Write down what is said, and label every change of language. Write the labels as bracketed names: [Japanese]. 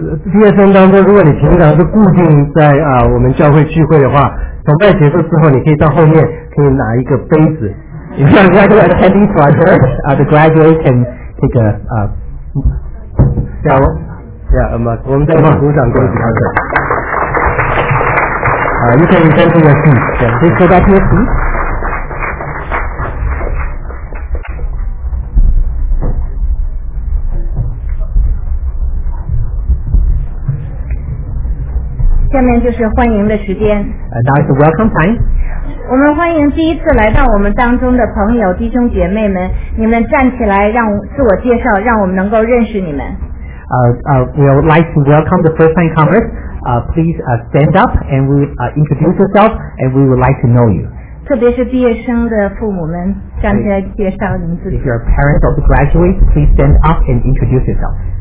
[Chinese] 毕业生当中，如果你平常是固定在我们教会聚会的话，崇拜结束之后，你可以到后面可以拿一个杯子。 [English] If you are regular attending to our church, the graduate can take a [Chinese] Yeah, 我们再鼓掌给他们。 [English] You can return to your seat. Yeah, please go back to your seat. [Chinese] 下面就是欢迎的时间。 [English] Now is the welcome time. [Chinese] 我们欢迎第一次来到我们当中的朋友弟兄姐妹们，你们站起来让自我介绍，让我们能够认识你们。 [English] We would like to welcome the first time comers. Please stand up and we introduce yourself and we would like to know you. [Chinese] 特别是毕业生的父母们站起来介绍你们自己。 [English] If you're a parent of the graduates, please stand up and introduce yourself.